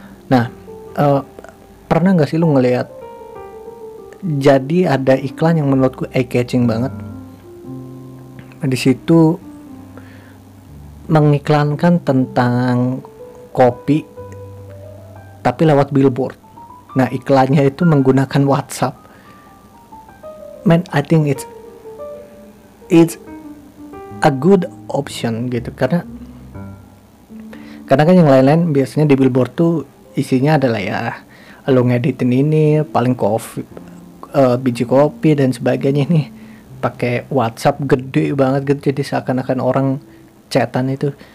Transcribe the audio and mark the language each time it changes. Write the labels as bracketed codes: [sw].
[id] Nah, pernah gak sih lu ngelihat, jadi ada iklan yang menurut gue eye catching banget. Di situ mengiklankan tentang kopi tapi lewat billboard. Nah, iklannya itu menggunakan WhatsApp. [en] Man, I think it's a good option gitu. [id] Karena kan yang lain-lain biasanya di billboard tuh isinya adalah ya lu ngeditin ini paling kopi, biji kopi dan sebagainya nih pakai WhatsApp gede banget gitu, jadi seakan-akan orang chatan itu.